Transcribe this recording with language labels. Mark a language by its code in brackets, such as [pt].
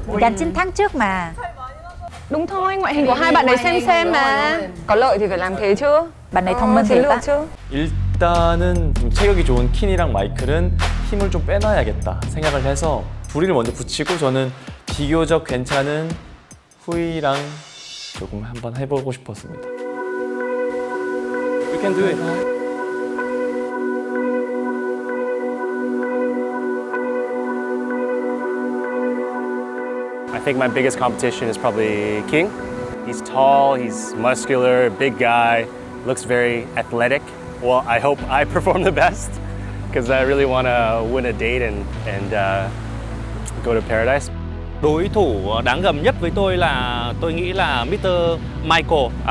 [vi] Giành chiến thắng trước mà. Đúng thôi, ngoại hình của hai bạn đấy xem mà. Có lợi thì phải làm thế chứ. Bạn này thông minh thế ta. [ko] 일단은 체격이 좋은 킨이랑 마이클은 힘을 좀 빼놔야겠다 생각을 해서 부리를 먼저 붙이고 저는 비교적 괜찮은 후이랑 조금 한번 해보고 싶었습니다. [en] We can do it. I think my biggest competition is probably King. He's tall, he's muscular, big guy, looks very athletic. Well, I hope I perform the best because I really want to win a date and go to paradise. [vi] Đối thủ đáng gầm nhất với tôi là tôi nghĩ là Mr. Michael.